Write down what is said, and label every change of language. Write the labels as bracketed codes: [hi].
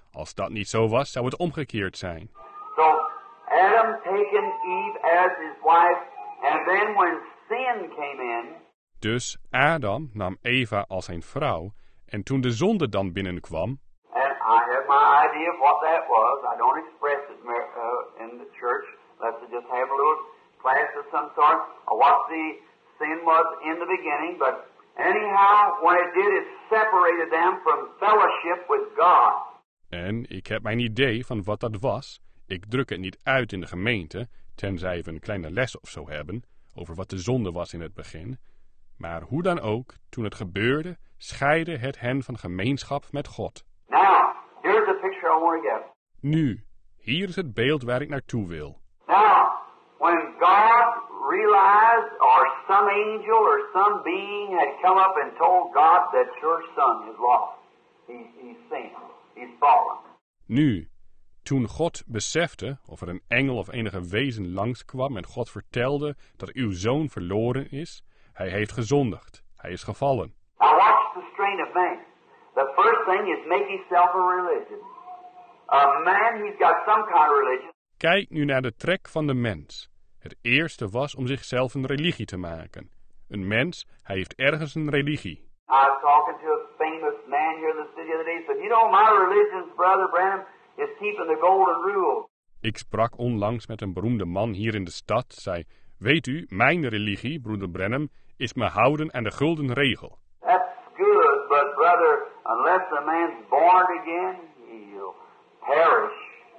[nl] Als dat niet zo was, zou het omgekeerd zijn. [en] So, Adam taken Eve as his wife, and then when sin came in. [nl] Dus Adam nam Eva als zijn vrouw, en toen de zonde dan binnenkwam. [en] And I have my idea of what that was. I don't express it in the church. Let's just have a little class of some sort. Sin was in the beginning, but anyhow, what it did is separated them from fellowship with God. [nl] En ik heb mijn idee van wat dat was. Ik druk het niet uit in de gemeente, tenzij we een kleine les of zo hebben over wat de zonde was in het begin. Maar hoe dan ook, toen het gebeurde, scheidde het hen van gemeenschap met God. [en] Now, here's the picture I want to get. [nl] Nu, hier is het beeld waar ik naartoe wil. [en] Now, when God realized eyes, or some angel or some being had come up and told God that your son is lost. He's sinned. He's fallen. [nl] Nu, toen God besefte of er een engel of enige wezen langskwam en God vertelde dat uw zoon verloren is, hij heeft gezondigd. Hij is gevallen. [en] Now watch the strain of man. The first thing is make himself a religion. A man, he's got some kind of religion. [nl] Kijk nu naar de trek van de mens. Het eerste was om zichzelf een religie te maken. Een mens, hij heeft ergens een religie. [en] I was talking to a famous man here in the city the other day. He said, you know, my religion, Brother Branham, is keeping the golden rule. [nl] Ik sprak onlangs met een beroemde man hier in de stad. Zei, weet u, mijn religie, Broeder Branham, is me houden aan de gulden regel. [en] That's good, but brother, unless a man's born again, he'll perish.